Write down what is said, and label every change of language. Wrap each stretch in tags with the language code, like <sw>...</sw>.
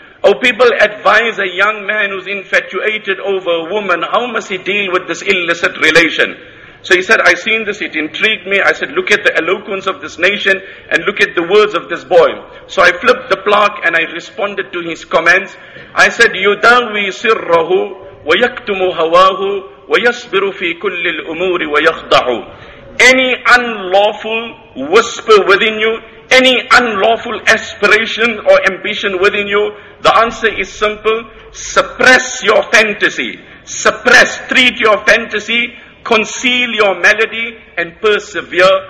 <en>O people, advise a young man who's infatuated over a woman, how must he deal with this illicit relation? So he said, I seen this, it intrigued me. I said, look at the eloquence of this nation and look at the words of this boy. So I flipped the plaque and I responded to his comments. I said,</en> <ar>يُدَوِي سِرَّهُ وَيَكْتُمُ هَوَاهُ وَيَصْبِرُ فِي كُلِّ الْأُمُورِ وَيَخْضَعُ.</ar> <en>Any unlawful whisper within you, any unlawful aspiration or ambition within you, the answer is simple. Suppress your fantasy. Suppress, treat your fantasy, conceal your malady, and persevere.</en>